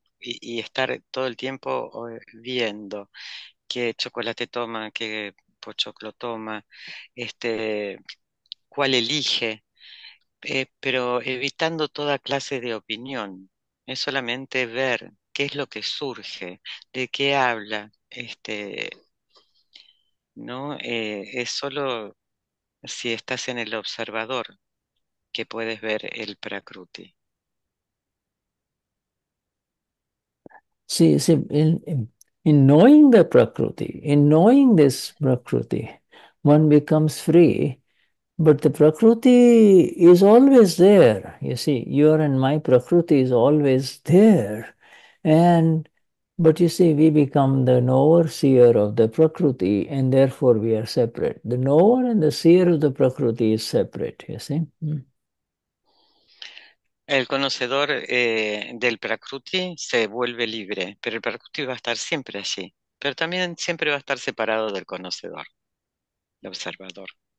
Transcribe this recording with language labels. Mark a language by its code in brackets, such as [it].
[es] Y estar todo el tiempo viendo qué chocolate toma, qué pochoclo toma, cuál elige, pero evitando toda clase de opinión, es solamente ver. ¿Qué es lo que surge? ¿De qué habla? No, es solo si estás en el observador que puedes ver el Prakruti. [en] See, in knowing the Prakruti, in knowing this Prakruti, one becomes free. But the Prakruti is always there. You see, your and my Prakruti is always there. But you see, we become the knower, seer of the Prakruti, and therefore we are separate. The knower and the seer of the Prakruti is separate, you see. [es] El conocedor del Prakruti se vuelve libre, pero el Prakruti va a estar siempre allí, pero también siempre va a estar separado del conocedor, el observador.